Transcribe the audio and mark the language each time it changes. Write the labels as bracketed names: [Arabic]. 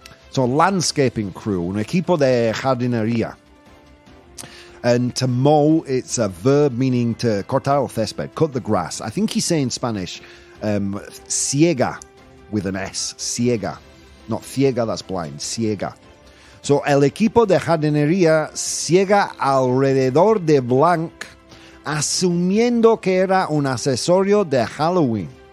[English] So a landscaping crew, [Spanish] un equipo de jardinería. [English] And to mow, it's a verb meaning to [Spanish] cortar el césped, [English] cut the grass. I think he's saying Spanish, ciega, with an S, ciega. Not ciega, that's blind, ciega. [Spanish] So, el equipo de jardinería ciega alrededor de blank, asumiendo que era un accesorio de Halloween.